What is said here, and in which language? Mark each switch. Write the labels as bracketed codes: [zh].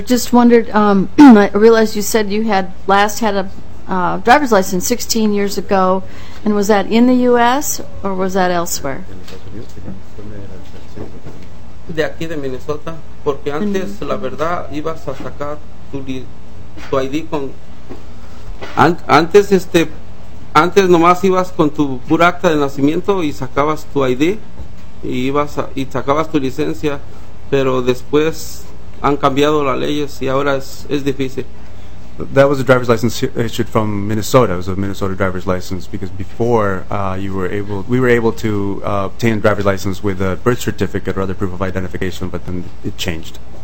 [en] Just wondered, I realized you said you had last had a driver's license 16 years ago, and was that in the U.S. or was that elsewhere? [es] De aquí de Minnesota, porque antes la verdad ibas a sacar tu ID con antes nomás ibas con tu pura acta de nacimiento y sacabas tu ID y sacabas tu licencia, pero después han cambiado las leyes y ahora es difícil. [en] That was a driver's license issued from Minnesota. It was a Minnesota driver's license because before we were able to obtain a driver's license with a birth certificate or other proof of identification, but then it changed.